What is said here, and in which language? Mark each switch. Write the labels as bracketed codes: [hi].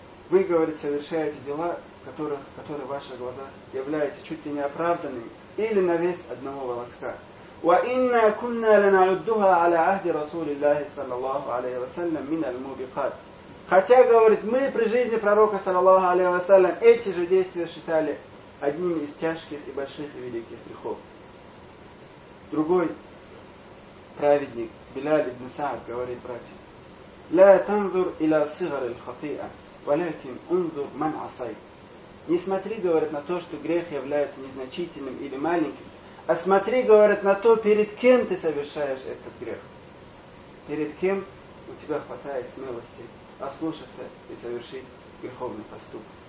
[ru] Вы, говорит, совершаете дела, которые в ваших глазах являются чуть ли не оправданными или на вес одного волоска. [ar] وَإِنَّا كُنَّا لَنَعُدُّهَا عَلَى عَهْدِ رَسُولِ اللَّهِ صَلَّى اللَّهُ عَلَيْهِ وَسَلَّمَ مِنَ الْمُوبِقَاتِ. [ru] Хотя, говорит, мы при жизни пророка, саллаллаху алейхи ва саллям, эти же действия считали одними из тяжких и больших и великих грехов. Другой праведник, Биляль ибн Саад, говорит, братья, [ar] لا تنظر إلى صغر الخطيئة ولكن انظر من عصيت. [ru] Не смотри, говорит, на то, что грех является незначительным или маленьким, а смотри, говорит, на то, перед кем ты совершаешь этот грех. Перед кем у тебя хватает смелости ослушаться и совершить греховный поступок.